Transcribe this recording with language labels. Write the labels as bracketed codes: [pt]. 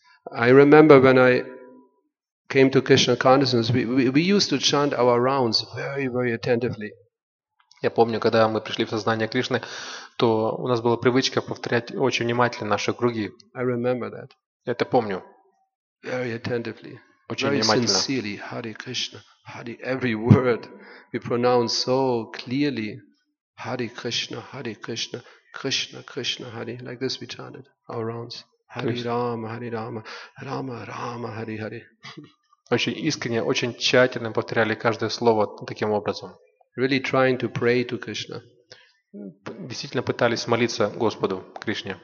[en] I remember when I came to Krishna consciousness, we used to chant our rounds very, very attentively. [ru] Я помню, когда мы пришли в сознание Кришны, то у нас была привычка повторять очень внимательно наши круги. [en] I remember that. [ru] Это помню. [en] Very attentively. [ru] Очень [en] very [ru] внимательно. [en] Sincerely, Hare Krishna. Hare, every word we pronounce so clearly. [sa] Hare Krishna, Hare Krishna, Krishna, Krishna, Hare. [en] Like this we chanted our rounds. [sa] Hare Rama, Hare Rama, Rama, Rama, Hare Hare. [ru] Очень искренне, очень тщательно повторяли каждое слово таким образом. [en] Really trying to pray to Krishna. [ru] Действительно пытались молиться Господу Кришне.